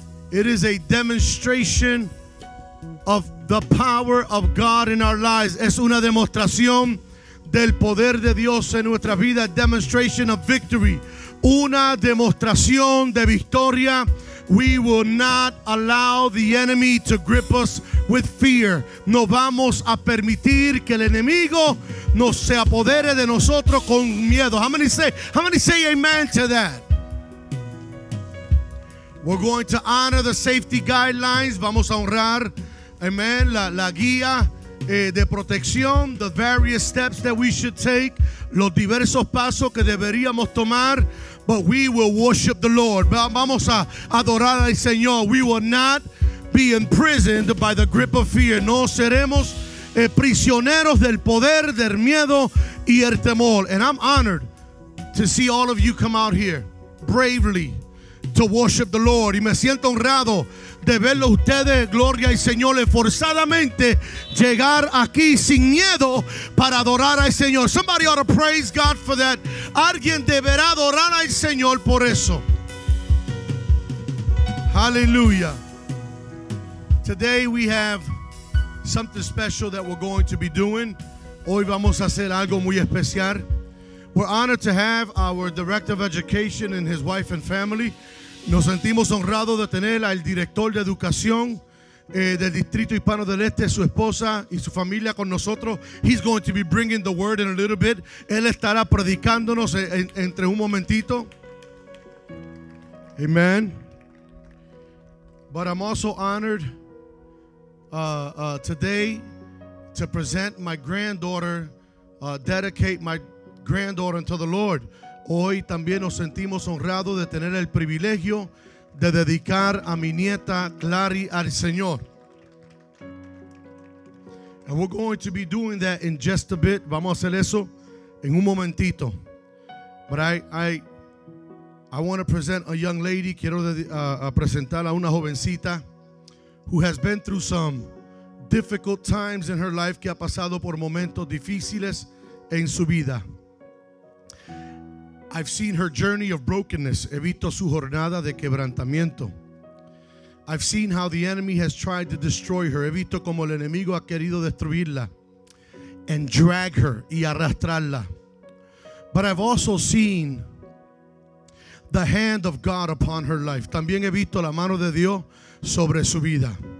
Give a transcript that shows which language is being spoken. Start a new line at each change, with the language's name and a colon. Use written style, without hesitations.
English: It is a demonstration of the power of God in our lives.
Spanish: Es una demostración del poder de Dios en nuestra vida.
English: Demonstration of victory.
Spanish: Una demostración de victoria.
English: We will not allow the enemy to grip us with fear.
Spanish: No vamos a permitir que el enemigo nos se apodere de nosotros con miedo.
English: How many say amen to that? We're going to honor the safety guidelines.
Spanish: Vamos a honrar, amen, la guía de protección,
English: the various steps that we should take,
Spanish: los diversos pasos que deberíamos tomar.
English: But we will worship the Lord.
Spanish: Vamos a adorar al Señor.
English: We will not be imprisoned by the grip of fear.
Spanish: No seremos prisioneros del poder, del miedo y el temor.
English: And I'm honored to see all of you come out here bravely to worship the Lord.
Spanish: Y me siento honrado de verlo ustedes, gloria al Señor, esforzadamente llegar aquí sin miedo para adorar al Señor.
English: Somebody ought to praise God for that.
Spanish: Alguien deberá adorar al Señor por eso.
English: Hallelujah. Today we have something special that we're going to be doing.
Spanish: Hoy vamos a hacer algo muy especial.
English: We're honored to have our director of education and his wife and family.
Spanish: Nos sentimos honrados de tener al director de educación del Distrito Hispano del Este, su esposa y su familia con nosotros.
English: He's going to be bringing the word in a little bit.
Spanish: Él estará predicándonos entre un momentito.
English: Amen. But I'm also honored today to present my granddaughter, dedicate my granddaughter unto the Lord.
Spanish: Hoy también nos sentimos honrados de tener el privilegio de dedicar a mi nieta Clary al Señor.
English: And we're going to be doing that in just a bit.
Spanish: Vamos a hacer eso en un momentito.
English: But I want to present a young lady.
Spanish: Quiero presentar a una jovencita
English: who has been through some difficult times in her life,
Spanish: que ha pasado por momentos difíciles en su vida.
English: I've seen her journey of brokenness.
Spanish: He visto su jornada de quebrantamiento.
English: I've seen how the enemy has tried to destroy her.
Spanish: He visto como el enemigo ha querido destruirla
English: and drag her
Spanish: y arrastrarla.
English: But I've also seen the hand of God upon her life.
Spanish: También he visto la mano de Dios sobre su vida.